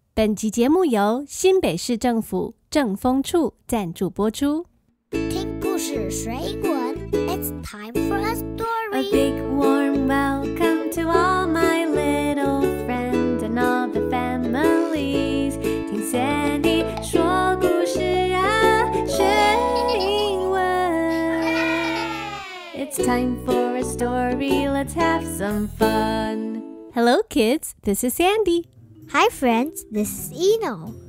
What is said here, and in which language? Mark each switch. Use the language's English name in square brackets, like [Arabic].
[Chinese] 本集节目由新北市政府政风处赞助播出。听故事学英文 [English] It's time for a story. A big warm welcome to all my little friends and all the families. [Chinese] 听见你说故事啊，学英文。 [English] It's time for a story. Let's have some fun. Hello, kids. This is Sandy. Hi friends, this is Eno.